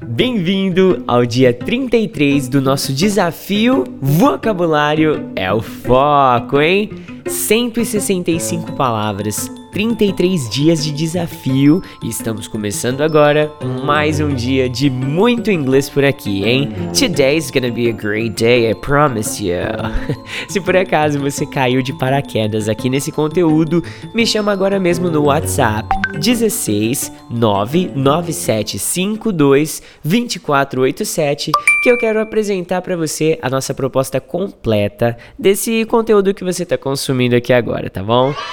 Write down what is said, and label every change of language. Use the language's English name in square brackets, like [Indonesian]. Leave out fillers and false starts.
[Portuguese] Bem-vindo ao dia 33 do nosso desafio Vocabulário é o Foco, hein? 165 palavras, 33 dias de desafio e estamos começando agora mais um dia de muito inglês por aqui, hein? [English] Today's gonna be a great day, I promise you. [Portuguese] Se por acaso você caiu de paraquedas aqui nesse conteúdo, me chama agora mesmo no WhatsApp 16997522487 que eu quero apresentar para você a nossa proposta completa desse conteúdo que você está consumindo aqui agora, tá bom?